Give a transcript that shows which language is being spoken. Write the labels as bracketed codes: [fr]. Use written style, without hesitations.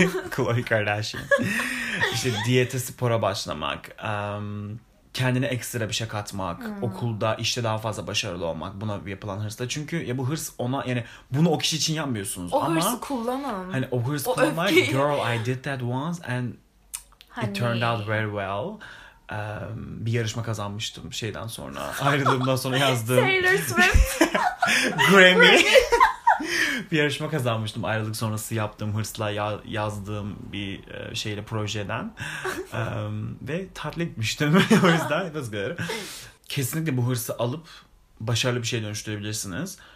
[tr] Khloe Kardashian. İşte diyete, spora başlamak. Kendine ekstra bir şey katmak, okulda, işte daha fazla başarılı olmak, buna yapılan hırsla. Çünkü ya bu hırs ona, yani bunu o kişi için yapmıyorsunuz. O ama, hırsı kullanın. Hani o hırs kullanmak, öfkeyi. [en] Girl I did that once and [tr] hani... [en] it turned out very well. [tr] Bir yarışma kazanmıştım şeyden sonra, ayrılığımdan sonra yazdığım. Taylor Swift. Grammy. Bir yarışma kazanmıştım ayrılık sonrası yaptığım hırsla, yazdığım bir şeyle, projeden. ve tatil etmiştim. O yüzden nasıl kadarım. Kesinlikle bu hırsı alıp başarılı bir şey dönüştürebilirsiniz.